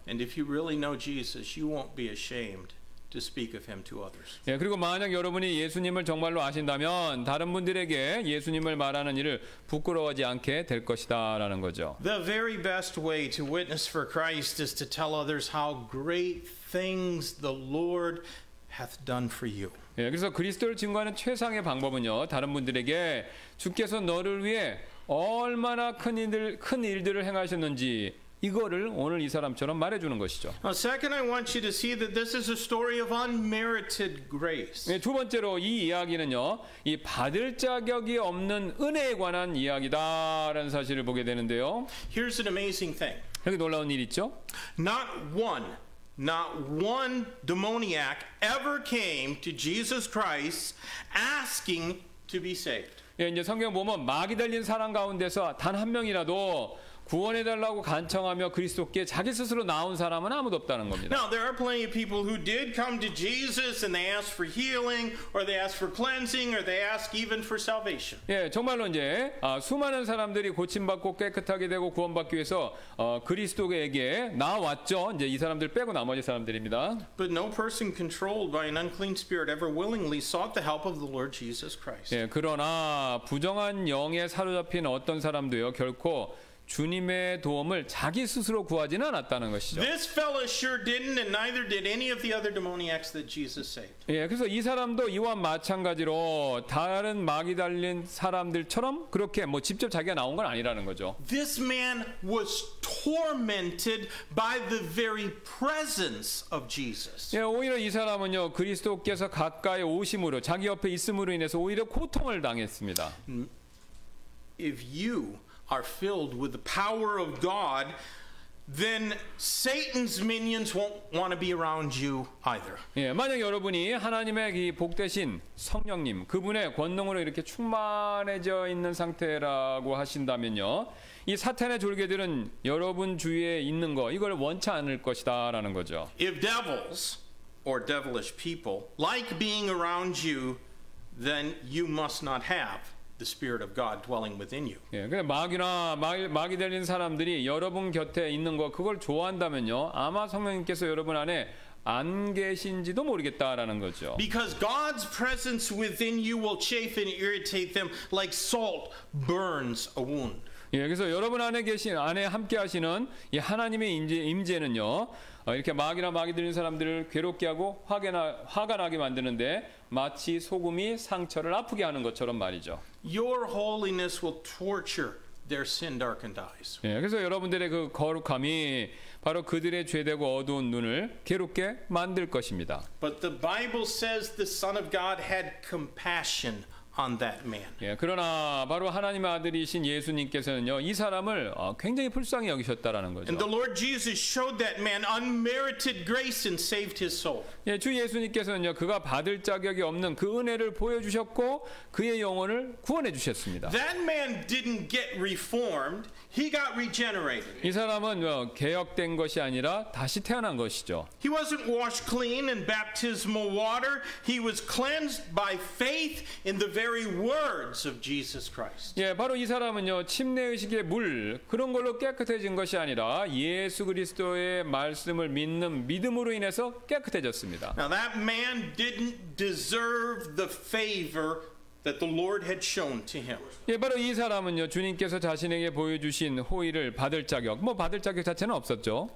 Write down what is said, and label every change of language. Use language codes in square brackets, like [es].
[en] And if you really know Jesus, you won't be ashamed to speak of him to others. [ko] 예, 그리고 만약 여러분이 예수님을 정말로 아신다면 다른 분들에게 예수님을 말하는 일을 부끄러워하지 않게 될 것이다라는 거죠. [en] The very best way to witness for Christ is to tell others how great things the Lord hath done for you. [ko] 예, 그래서 그리스도를 증거하는 최상의 방법은요. 다른 분들에게 주께서 너를 위해 얼마나 큰 일들을 행하셨는지 이거를 오늘 이 사람처럼 말해주는 것이죠. [en] Second, I want you to see that this is a story of unmerited grace. [ko] 네, 두 번째로 이 이야기는요, 이 받을 자격이 없는 은혜에 관한 이야기다라는 사실을 보게 되는데요. [en] Here's an amazing thing. [ko] 여기 놀라운 일 있죠? [en] Not one demoniac ever came to Jesus Christ asking to be saved. [ko] 예, 이제 성경 보면 마귀 달린 사람 가운데서 단 한 명이라도 구원해 달라고 간청하며 그리스도께 자기 스스로 나온 사람은 아무도 없다는 겁니다. [en] Now there are plenty of people who did come to Jesus and they asked for healing or they asked for cleansing or they asked even for salvation. [ko] 예, 정말로 이제 수많은 사람들이 고침 받고 깨끗하게 되고 구원받기 위해서 그리스도에게 나왔죠. 이제 이 사람들 빼고 나머지 사람들입니다. [en] But no person controlled by an unclean spirit ever willingly sought the help of the Lord Jesus Christ. [ko] 예, 그러나 부정한 영에 사로잡힌 어떤 사람도요. 결코 주님의 도움을 자기 스스로 구하지는 않았다는 것이죠. [en] This fellow sure didn't and neither did any of the other demoniacs that Jesus saved. [ko] 예, 그래서 이 사람도 이와 마찬가지로 다른 마귀 달린 사람들처럼 그렇게 뭐 직접 자기가 나온 건 아니라는 거죠. [en] This man was tormented by the very presence of Jesus. [ko] 예, 오히려 이 사람은요. 그리스도께서 가까이 오심으로 자기 옆에 있음으로 인해서 오히려 고통을 당했습니다. [en] If you are filled with the power of God, then Satan's minions won't want to be around you either. [ko] 예, 만약 여러분이 하나님의 이 복되신 성령님, 그분의 권능으로 이렇게 충만해져 있는 상태라고 하신다면요. 이 사탄의 졸개들은 여러분 주위에 있는 거 이걸 원치 않을 것이다라는 거죠. [en] If devils or devilish people like being around you, then you must not have the spirit of God dwelling within you. [ko] 예, 근데 마귀나 마귀 들린 사람들이 여러분 곁에 있는 거 그걸 좋아한다면요. 아마 성령님께서 여러분 안에 안 계신지도 모르겠다라는 거죠. [en] Because God's presence within you will chafe and irritate them like salt burns a wound. [ko] 예, 그래서 여러분 안에 계신 안에 함께 하시는 이 하나님의 임재는요. 이렇게 마귀나 마귀 들린 사람들을 괴롭게 하고 화가 나게 만드는데 마치 소금이 상처를 아프게 하는 것처럼 말이죠. [en] Your holiness will torture their sin-darkened eyes. [ko] 예, 그래서 여러분들의 그 거룩함이 바로 그들의 죄되고 어두운 눈을 괴롭게 만들 것입니다. [en] But the Bible says the Son of God had compassion on that man. [ko] 예, 그러나 바로 하나님의 아들이신 예수님께서는요, 이 사람을 굉장히 불쌍히 여기셨다라는 거죠. [en] And the Lord Jesus showed that man unmerited grace and saved his soul. [ko] 예, 주 예수님께서는요, 그가 받을 자격이 없는 그 은혜를 보여주셨고 그의 영혼을 구원해 주셨습니다. [en] That man didn't get reformed. He got regenerated. [ko] 이 사람은 개혁된 것이 아니라 다시 태어난 것이죠. [en] He wasn't washed clean in baptismal water. He was cleansed by faith in the very words of Jesus Christ. [ko] 예, 바로 이 사람은요, 침례 의식의 물 그런 걸로 깨끗해진 것이 아니라 예수 그리스도의 말씀을 믿는 믿음으로 인해서 깨끗해졌습니다. [en] Now that man didn't deserve the favor that the Lord had shown to him. [ko] 예, 바로 이 사람은요, 주님께서 자신에게 보여주신 호의를 받을 자격, 뭐 받을 자격 자체는 없었죠.